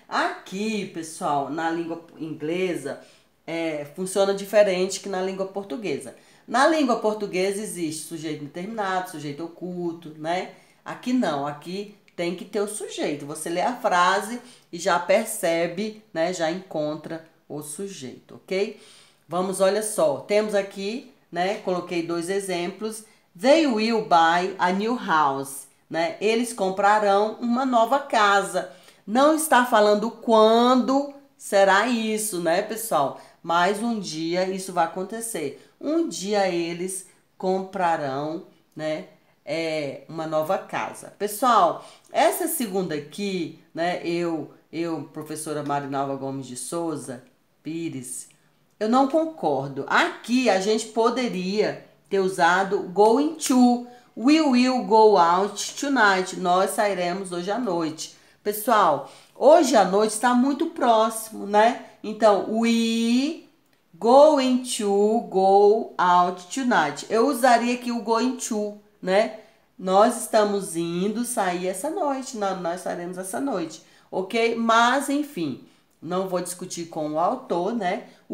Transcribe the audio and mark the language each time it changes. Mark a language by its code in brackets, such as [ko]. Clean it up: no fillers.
[pt] Aqui, pessoal, na língua inglesa, funciona diferente que na língua portuguesa. Na língua portuguesa existe sujeito indeterminado, sujeito oculto, né? Aqui não, aqui tem que ter o sujeito. Você lê a frase e já percebe, né? Já encontra o sujeito, ok? Vamos, olha só. Temos aqui, né? Coloquei dois exemplos. [en] They will buy a new house, né? [pt] Eles comprarão uma nova casa. Não está falando quando será isso, né, pessoal? Mas um dia isso vai acontecer. Um dia eles comprarão, né, uma nova casa. Pessoal, essa segunda aqui, né, eu professora Marinalva Gomes de Souza Pires, eu não concordo. Aqui a gente poderia ter usado going to. [en] We will go out tonight. [pt] Nós sairemos hoje à noite. Pessoal, hoje à noite está muito próximo, né? [en] Então, we going to go out tonight. [pt] Eu usaria aqui o going to, né? Nós estamos indo sair essa noite. Nós sairemos essa noite, ok? Mas, enfim, não vou discutir com o autor, né?